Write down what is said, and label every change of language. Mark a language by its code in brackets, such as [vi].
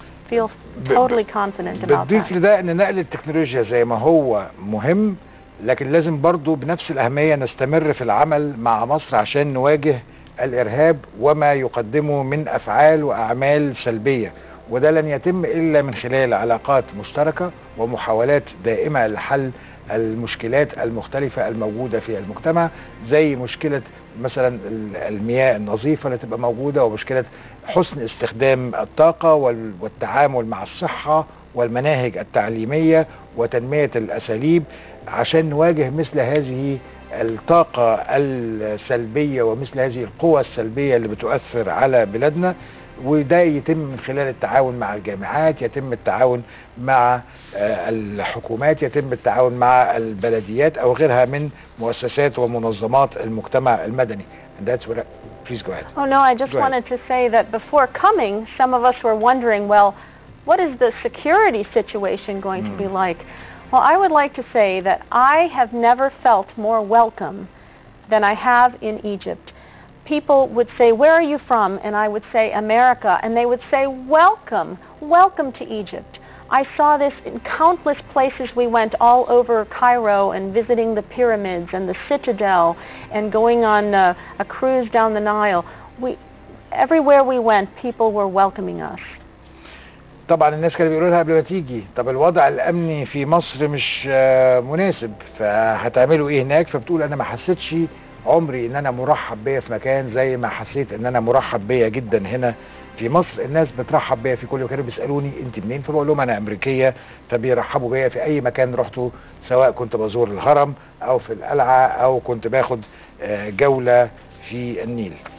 [en] Feel totally confident about that. [ar] بديك لده ان نقل التكنولوجيا زي ما هو مهم، لكن لازم برضو بنفس الأهمية نستمر في العمل مع مصر عشان نواجه الإرهاب وما يقدمه من أفعال وأعمال سلبية، وده لن يتم إلا من خلال علاقات مشتركة ومحاولات دائمة لحل المشكلات المختلفة الموجودة في المجتمع، زي مشكلة مثلا المياه النظيفة اللي تبقى موجودة، ومشكلة حسن استخدام الطاقة والتعامل مع الصحة والمناهج التعليمية وتنمية الأساليب عشان نواجه مثل هذه الطاقة السلبية ومثل هذه القوى السلبية اللي بتؤثر على بلادنا. وده يتم من خلال التعاون مع الجامعات، يتم التعاون مع الحكومات، يتم التعاون مع البلديات أو غيرها من مؤسسات ومنظمات المجتمع المدني. [en] And that's what I, please go ahead. Oh no, I just wanted to say that before coming, some of us were wondering, well, what is the security situation going to be like? Well, I would like to say that I have never felt more welcome than I have in Egypt. People would say, where are you from? And I would say, America. And they would say, welcome, welcome to Egypt. I saw this in countless places we went all over Cairo and visiting the pyramids and the citadel and going on a cruise down the Nile. Everywhere we went, people were welcoming us. [ar] طبعا الناس كانوا بيقولوا لها قبل ما تيجي، طب الوضع الامني في مصر مش مناسب، فهتعملوا ايه هناك؟ فبتقول انا ما حسيتش عمري ان انا مرحب بيا في مكان زي ما حسيت ان انا مرحب بيا جدا هنا في مصر. الناس بترحب بيا في كل مكان، بيسالوني انت منين، فبقول لهم انا امريكيه، فبيرحبوا بيا في اي مكان رحته، سواء كنت بزور الهرم او في القلعه او كنت باخد جوله في النيل.